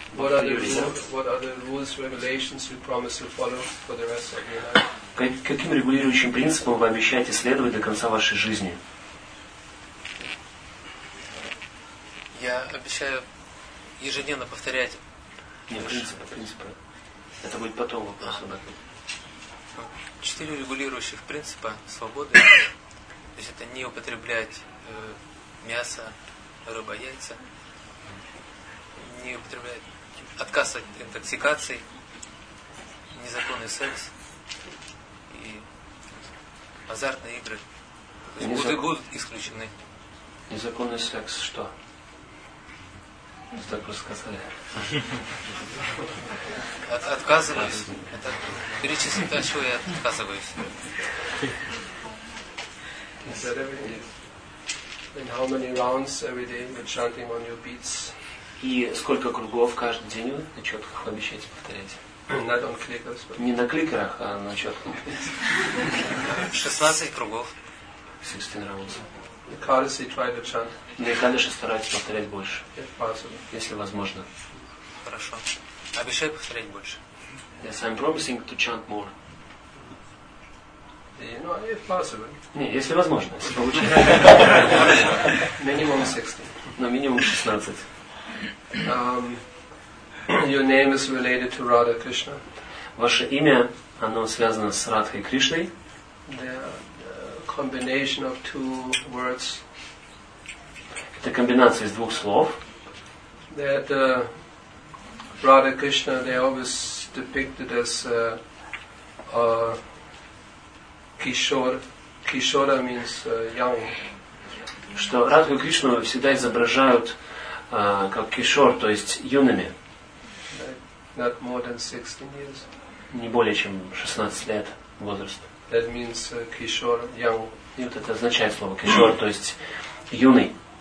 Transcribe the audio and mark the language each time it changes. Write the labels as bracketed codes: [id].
[en] What are the rules, regulations you promise to follow for the rest of your life? [ru] Каким регулирующим принципом вы обещаете следовать до конца вашей жизни? Я обещаю ежедневно повторять. Нет, принципы. Это будет потом вопрос. Четыре регулирующих принципа свободы. То есть это не употреблять мясо, рыба, яйца. Не употреблять, отказ от интоксикаций, незаконный секс и азартные игры. То есть будут исключены. Незаконный секс что? Так вы сказали. Отказываюсь. Это перечислить, от чего я отказываюсь. [en] Is that everything? And how many rounds every day you're chanting on your beats? [ru] И сколько кругов каждый день на четках обещаете повторять? [en] Not on clickers, but... [ru] Не на кликерах, а на четках. 16 кругов. [en] 16 rounds. Кадыши try to chant. [ru] На Кадыши стараются повторять больше. [en] If possible. [ru] Если возможно. Хорошо. Обещаю повторять больше. [en] Yes, I'm promising to chant more. You know, if possible. [ru] Не, если возможно, если получится. Минимум 60. Но минимум 16. [en] Your name is related to Radha Krishna. [ru] Ваше имя, оно связано с Радхой Кришной. [en] Combination of two words. [ru] Это комбинация из двух слов. [en] That Radha Krishna, they always depicted as Kishore. Kishore means young. [ru] Что Радху Кришну всегда изображают как Кишор, то есть юными. [en] Not more than 16 years. [ru] Не более чем 16 лет возраст. [en] That means Kishore, young. [ru] И вот это означает слово кишор, то есть юный.